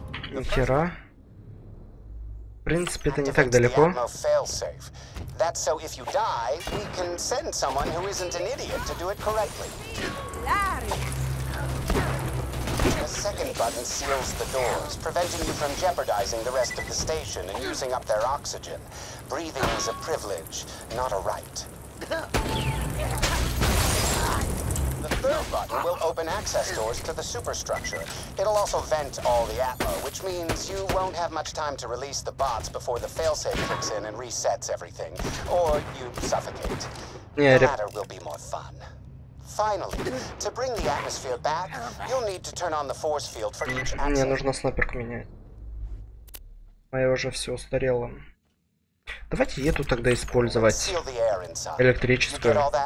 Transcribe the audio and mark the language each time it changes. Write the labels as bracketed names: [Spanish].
[Russian] Нихера. В принципе, это не так далеко. [English] That's so if you die, we can send someone who isn't an idiot to do it correctly. The second button seals the doors, preventing you from jeopardizing the rest of the station and using up their oxygen. Breathing is a privilege, not a right. The third button will open access doors to the superstructure. It'll also vent all the atmo, which means you won't have much time to release the bots before the failsafe kicks in and resets everything, or you suffocate. Yeah, the latter will be more fun. Finally, to bring the atmosphere back, you'll need to turn on the force field for each access. [Russian] Мне нужно снайперку менять. Моя уже все устарела. Давайте эту тогда использовать. Электрическую.